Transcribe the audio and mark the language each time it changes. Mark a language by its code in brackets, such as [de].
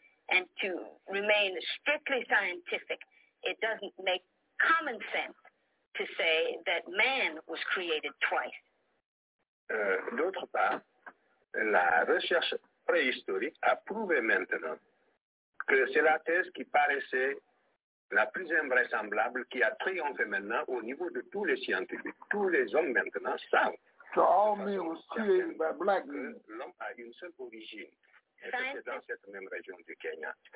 [en] And to remain strictly scientific, it doesn't make common sense to say that man was created twice. [fr] D'autre part, la recherche préhistorique a prouvé maintenant que c'est la thèse qui paraissait la plus invraisemblable qui a triomphé maintenant au niveau de tous les scientifiques. Tous les hommes maintenant savent. [en] So all men was created by black men. [fr] L'homme a une seule origine. C'est dans cette même région du Kenya.